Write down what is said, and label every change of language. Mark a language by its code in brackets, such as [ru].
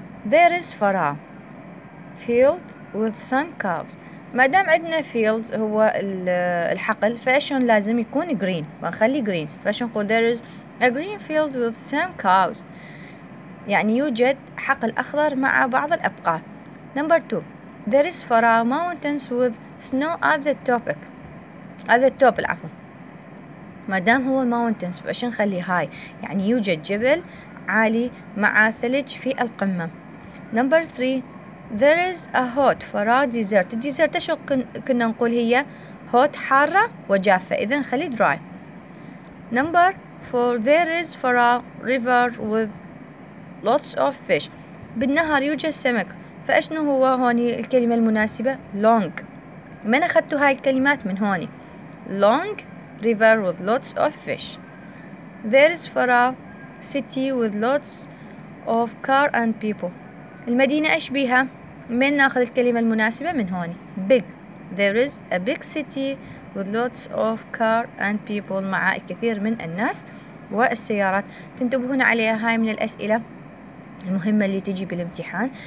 [en] There is farah field with some cows. [ar] ما دام عندنا fields هو الحقل، فأشون لازم يكون green، بنخلي green. فأشون نقول [en] there is a green field with some cows، [ar] يعني يوجد حقل أخضر مع بعض الأبقار. [en] Number two, there is Farah mountains with snow at the top. At the top [ar] العفو. ما دام هو mountains فش نخلي high، يعني يوجد جبل عالي مع ثلج في القمة. [en] Number three, there is a hot Farah desert. [ar] الديزرت شو كنا نقول؟ هي hot حارة وجافة، إذا نخلي dry. [en] Number four, there is Farah river with lots of fish. [ar] بالنهار يوجد سمك، فأشنو هو هوني الكلمة المناسبة؟ long. من أخذت هاي الكلمات؟ من هوني. [en] long river with lots of fish. there is Farah city with lots of car and people. [ar] المدينة إيش بيها؟ من نأخذ الكلمة المناسبة؟ من هوني. [en] big. there is a big city with lots of car and people، [ar] مع الكثير من الناس والسيارات. تنتبهون عليها، هاي من الأسئلة المهمة اللي تجي بالامتحان.